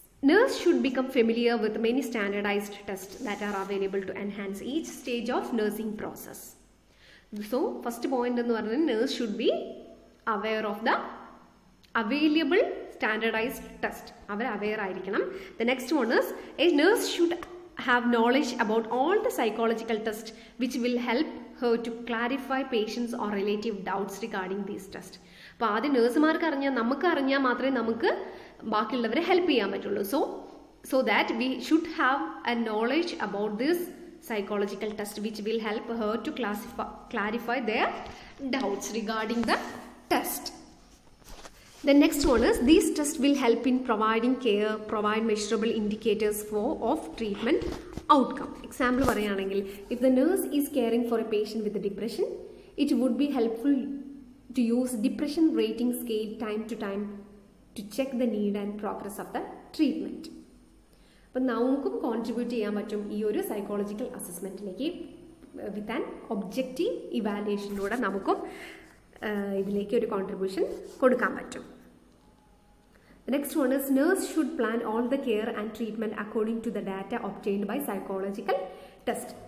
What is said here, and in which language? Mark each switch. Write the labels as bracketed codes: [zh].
[en] Nurse should become familiar with many standardised test that are available to enhance each stage of nursing process. So first point [ml] എന്ന് പറഞ്ഞാൽ [en] Nurse should be aware of the available standardised test. [ml] Our aware ആയിരിക്കണം. [en] The next one is a nurse should have knowledge about all the psychological tests which will help her to clarify patients or relative doubts regarding these tests. [ml] അപ്പോൾ ആദ്യം നേഴ്സുമാർക്ക് അറിഞ്ഞാൽ നമുക്ക് അറിഞ്ഞാൽ മാത്രമേ നമുക്ക് ബാക്കിയുള്ളവരെ help ചെയ്യാൻ പറ്റുള്ളൂ. [en] So that we should have a knowledge about this psychological test which will help her to clarify their doubts regarding the test. The next one is, these tests will help in providing care, provide measurable indicators of treatment outcome. [ml] Example parayanengil, [en] if the nurse is caring for a patient with a depression, it would be helpful to use depression rating scale time to time to check the need and progress of the treatment. [ml] അപ്പം നമുക്കും contribute ചെയ്യാൻ പറ്റും ഈ ഒരു psychological അസസ്മെൻറ്റിലേക്ക്, with an objective ഇവാലുവേഷനിലൂടെ നമുക്കും ഇതിലേക്ക് ഒരു contribution കൊടുക്കാൻ പറ്റും. [en] Next one is nurse should plan all the care and treatment according to the data obtained by psychological test.